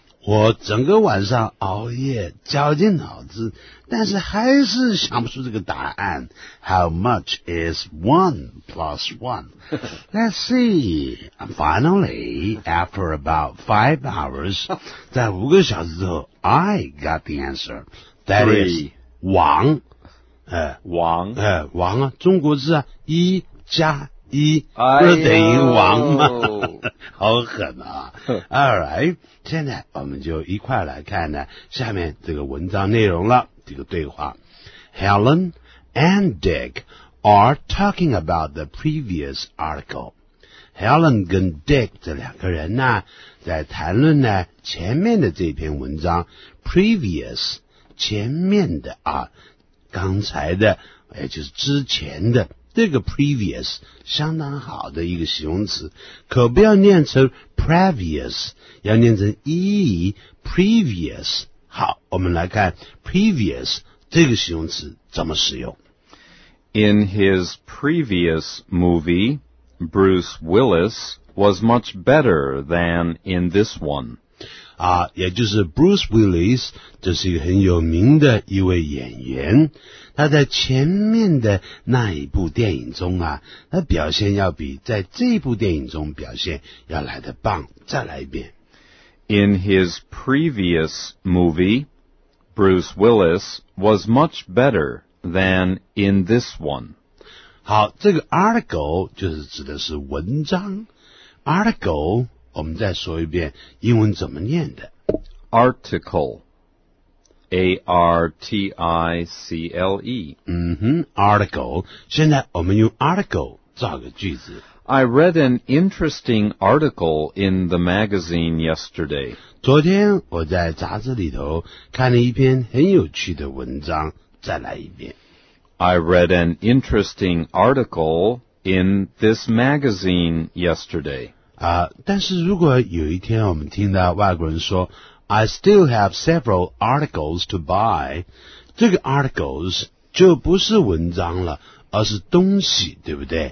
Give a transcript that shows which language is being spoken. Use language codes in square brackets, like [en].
[zh] 我整个晚上熬夜绞尽脑子但是还是想不出这个答案 [en] How much is one plus one? Let's see Finally, after about 5 hours [zh] 在5个小时之后 [en] I got the answer That、 Three. [zh] is 王、王、王啊中国字啊一加一不是等于王吗、哎、好狠啊 Alright 现在我们就一块来看呢下面这个文章内容了这个对话 [en] Helen and Dick are talking about the previous article [zh] Helen 跟 Dick 这两个人呢在谈论呢前面的这篇文章 previous 前面的啊刚才的也就是之前的这个 previous 相当好的一个形容词可不要念成 previous 要念成 e previous 好我们来看 previous 这个形容词怎么使用 [en] In his previous movie Bruce Willis was much better than in this one、 [zh] 啊、也就是 Bruce Willis 这是一个很有名的一位演员他在前面的那一部电影中啊他表现要比在这部电影中表现要来得棒再来一遍 [en] In his previous movie Bruce Willis was much better than in this one [zh] 好这个 article 就是指的是文章 article 我们再说一遍英文怎么念的 [en] article A-R-T-I-C-L-E [zh] 嗯哼 ,article 现在我们用 article 造个句子 [en] I read an interesting article in the magazine yesterday [zh] 昨天我在杂志里头看了一篇很有趣的文章再来一遍 [en] I read an interesting article in this magazine yesterday [zh] 啊，但是如果有一天我们听到外国人说 [en] I still have several articles to buy. [zh] 这个 articles 就不是文章了而是东西对不对、